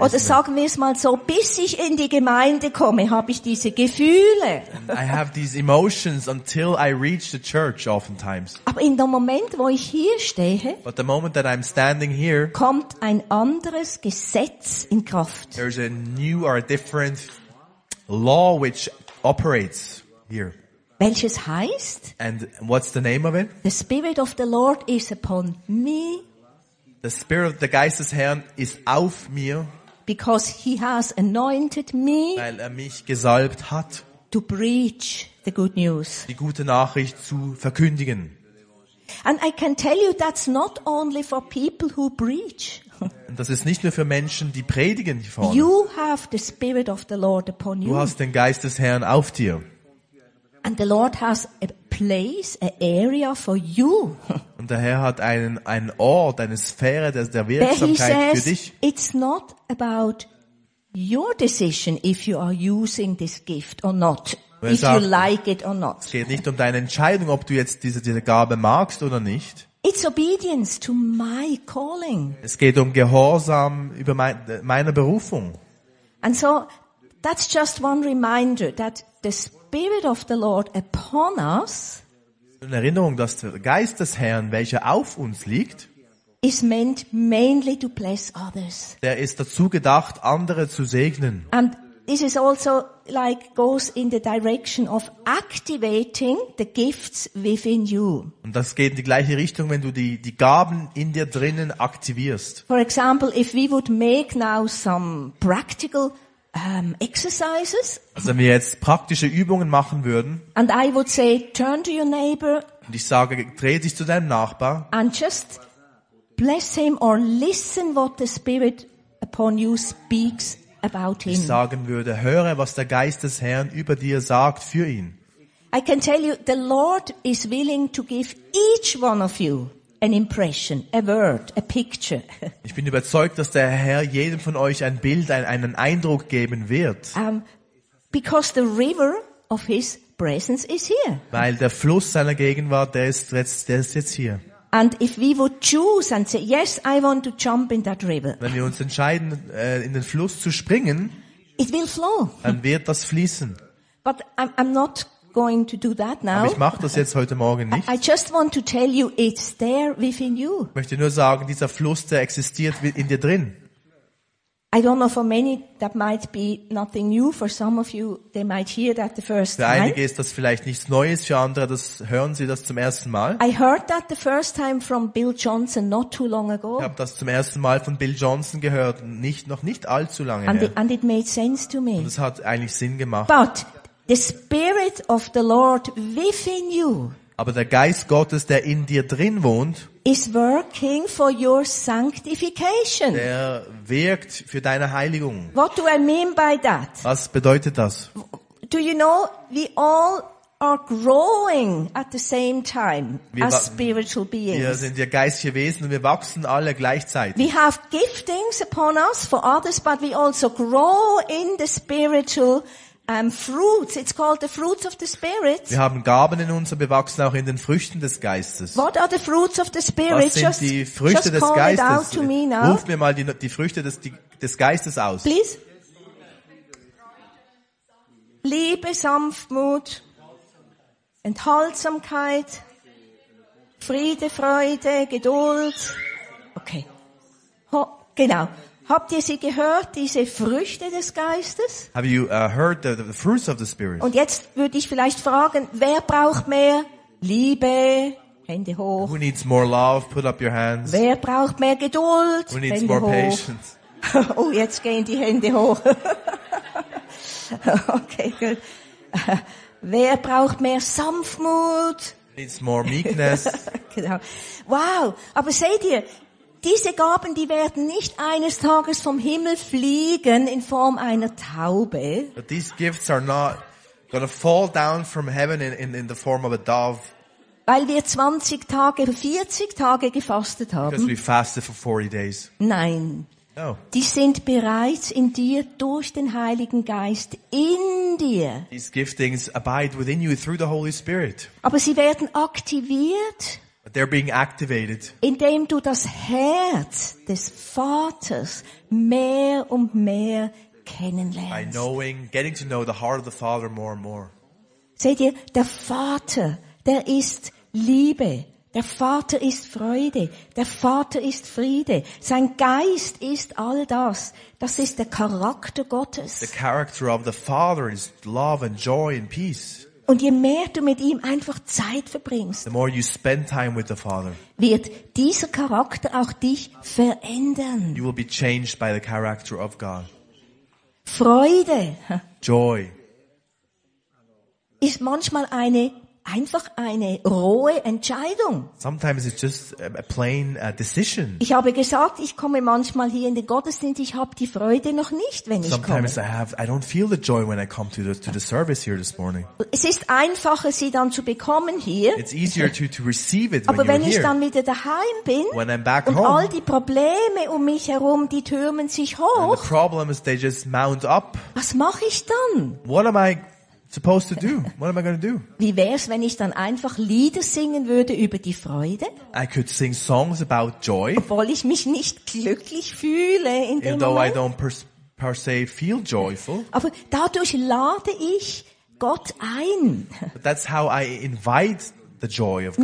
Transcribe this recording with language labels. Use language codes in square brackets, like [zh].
[de] Oder sagen wir es mal so, bis ich in die Gemeinde komme, habe ich diese Gefühle. [en] I have these emotions until I reach the church oftentimes. [de] Aber in dem Moment, wo ich hier stehe, [en] but the moment that I'm standing here, [de] kommt ein anderes Gesetz in Kraft. [en] There's a new or a different law which operates here. [de] Welches heißt? [en] And what's the name of it? The Spirit of the Lord is upon me. The Spirit of the [de] Geistes Herrn [en] is [de] auf mir. [en] Because he has anointed me. [de] Weil er mich gesalbt hat. [en] To preach the good news. [de] Die gute Nachricht zu verkündigen. [en] And I can tell you that's not only for people who preach. [de] Das ist nicht nur für Menschen, die predigen hier vorne. [en] You have the Spirit of the Lord upon you. [de] Du hast den Geist des Herrn auf dir. [en] And the Lord has a place, an area for you. [de] Und der Herr hat einen Ort, eine Sphäre der Wirksamkeit [en] says, [de] für dich. [en] It's not about your decision if you are using this gift or not, if [de] sagt, [en] you like it or not. [de] Es geht nicht um deine Entscheidung, ob du jetzt diese Gabe magst oder nicht. [en] It's obedience to my calling. [de] Es geht um Gehorsam über meiner Berufung. [en] And so that's just one reminder that the Spirit of the Lord upon us. [de] In Erinnerung, dass der Geist des Herrn, welcher auf uns liegt, [en] is meant mainly to bless others. [de] Der ist dazu gedacht, andere zu segnen. [en] And this is also like goes in the direction of activating the gifts within you. [de] Und das geht in die gleiche Richtung, wenn du die Gaben in dir drinnen aktivierst. [en] For example, if we would make now some practical exercises. [de] Also wenn wir jetzt praktische Übungen machen würden. [en] And I would say, turn to your neighbor. [de] Und ich sage, dreh dich zu deinem Nachbar. [en] And just bless him or listen what the Spirit upon you speaks about him. [de] Ich sagen würde, höre, was der Geist des Herrn über dir sagt für ihn. [en] I can tell you, the Lord is willing to give each one of you an impression, a word, a picture. [de] Ich bin überzeugt, dass der Herr jedem von euch ein Bild, einen Eindruck geben wird. [en] Because the river of his presence is here. [de] Weil der Fluss seiner Gegenwart, der ist jetzt hier. [en] And if we would choose and say, yes, I want to jump in that river. [de] Wenn wir uns entscheiden, in den Fluss zu springen, [en] it will flow. [de] Dann wird das fließen. [en] But I'm not going to do that now. [de] Aber ich mache das jetzt heute Morgen nicht. [en] I just want to tell you, it's there within you. [de] Ich möchte nur sagen, dieser Fluss, der existiert in dir drin. [en] I don't know, for many that might be nothing new. For some of you, they might hear that the first time. [de] Für einige ist das vielleicht nichts Neues, für andere das hören sie das zum ersten Mal. [en] I heard that the first time from Bill Johnson not too long ago. [de] Ich habe das zum ersten Mal von Bill Johnson gehört, noch nicht allzu lange [en] and [de] her. [en] And it made sense to me. [de] Und es hat eigentlich Sinn gemacht. [en] But the Spirit of the Lord within you. [de] Aber der Geist Gottes, der in dir drin wohnt, [en] is working for your sanctification. [de] Der wirkt für deine Heiligung. [en] What do I mean by that? [de] Was bedeutet das? [en] Do you know we all are growing at the same time as spiritual beings. [de] Wir sind ja geistige Wesen und wir wachsen alle gleichzeitig. [en] We have giftings upon us for others, but we also grow in the spiritual. Fruits. It's called the fruits of the Spirit. [de] Wir haben Gaben in uns und wir wachsen auch in den Früchten des Geistes. [en] What are the fruits of the Spirit? [de] Was sind die Früchte [en] just [de] des [en] call [de] Geistes? [en] It out to me now. [de] Ruf mir mal die Früchte des Geistes aus. [en] Please. [de] Liebe, Sanftmut, Enthaltsamkeit, Friede, Freude, Geduld. Okay. Genau. Habt ihr sie gehört, diese Früchte des Geistes? [en] Have you heard the fruits of the Spirit? [de] Und jetzt würde ich vielleicht fragen, wer braucht mehr Liebe? Hände hoch. [en] Who needs more love? Put up your hands. [de] Wer braucht mehr Geduld? [en] Who needs [de] Hände [en] more [de] hoch. [en] Patience? [de] Oh, jetzt gehen die Hände hoch. Okay, gut. Wer braucht mehr Sanftmut? [en] Needs more meekness. [de] Genau. Wow, aber seht ihr, diese Gaben, die werden nicht eines Tages vom Himmel fliegen in Form einer Taube. [en] But these gifts are not gonna fall down from heaven in the form of a dove. [de] Weil wir 20 Tage, 40 Tage gefastet haben. [en] Because we fasted for 40 days. [de] Nein. [en] No. [de] Die sind bereits in dir durch den Heiligen Geist in dir. [en] These giftings abide within you through the Holy Spirit. [de] Aber sie werden aktiviert. [en] But they're being activated. [de] Indem du das Herz des Vaters mehr und mehr kennenlernst. [en] By knowing, getting to know the heart of the Father more and more. [de] Seht ihr, der Vater, der ist Liebe. Der Vater ist Freude. Der Vater ist Friede. Sein Geist ist all das. Das ist der Charakter Gottes. [en] The character of the Father is love and joy and peace. [de] Und je mehr du mit ihm einfach Zeit verbringst, [en] the more you spend time with the Father, [de] wird dieser Charakter auch dich verändern. [en] You will be changed by the character of God. [de] Freude. [en] Joy. [de] Ist manchmal eine einfach eine rohe Entscheidung. [en] Sometimes it's just a plain decision. [de] Ich habe gesagt, ich komme manchmal hier in den Gottesdienst, ich habe die Freude noch nicht, wenn ich [en] sometimes [de] komme. [en] Sometimes I don't feel the joy when I come to the service here this morning. [de] Es ist einfacher, sie dann zu bekommen hier. [en] It's easier to receive it when [de] aber wenn [en] you're [de] ich [en] here. [de] Dann wieder daheim bin [en] when I'm back [de] und [en] home, [de] all die Probleme um mich herum, die türmen sich hoch. [en] And the problems, they just mount up. [de] Was mache ich dann? [en] What am I supposed to do? What am I going to do? [de] Wie wär's, wenn ich dann einfach Lieder singen würde über die Freude? [en] I could sing songs about joy. [de] Obwohl ich mich nicht glücklich fühle in dem Moment. [en] Even though I don't per se feel joyful. [de] Aber dadurch lade ich Gott ein. [en] But that's how I invite the joy of God.